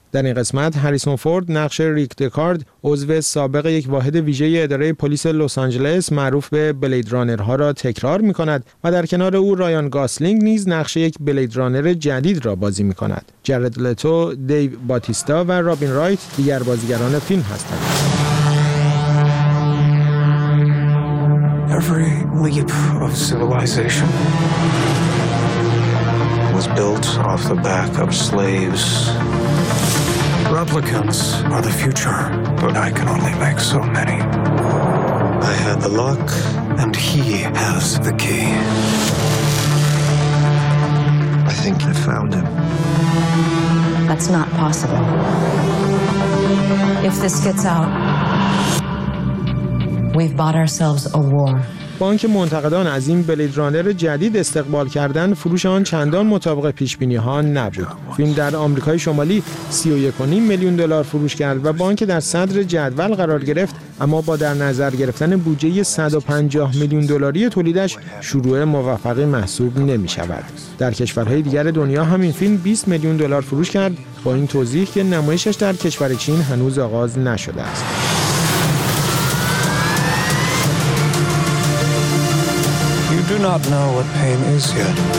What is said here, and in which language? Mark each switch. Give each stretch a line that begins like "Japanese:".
Persian: در این قسمت هریسون فورد نقش ریک دکارد، عضو سابق یک واحد ویژه اداره پلیس لس آنجلس معروف به بلید رانرها را تکرار می‌کند و در کنار او رایان گاسلینگ نیز نقش یک بلید رانر جدید را بازی می‌کند. جرد لتو، دیو باتیستا و رابین رایت دیگر بازیگران فیلم هستند.
English: Every leap of civilization was built off the back of slaves. Replicants are the future, but I can only make so many. I had the lock, and he has the key. I think I found him. That's not possible. If this gets out, we've bought ourselves a war.
Persian: با اینکه منتقدان از این بلید رانر جدید استقبال کردن، فروش آن چندان مطابق پیشبینی ها نبود. فیلم در آمریکای شمالی 31.5 میلیون دلار فروش کرد و با اینکه در صدر جدول قرار گرفت، اما با در نظر گرفتن بودجه 150 میلیون دلاری تولیدش شروع موفقی محسوب نمی شود. در کشورهای دیگر دنیا همین فیلم 20 میلیون دلار فروش کرد، با این توضیح که نمایشش در کشور چین هنوز آغاز نشده است.
English: You do not know what pain is yet.